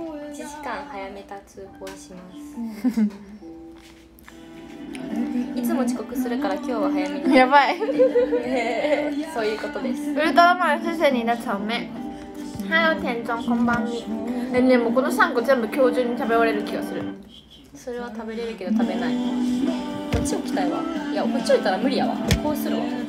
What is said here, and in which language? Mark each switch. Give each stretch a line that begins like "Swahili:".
Japanese: 1時間早めた通報します。いつも遅刻するから今日は早めに。やばい。そういうことです。
Chinese: ウルトラマン、谢谢你的草莓。
Japanese: ハロー天丼、こんばんみ。え、ね、もうこの3個全部今日中に食べ終われる気がする。それは食べれるけど食べない。こっち置きたいわ。いや、こっち置いたら無理やわ。こうするわ。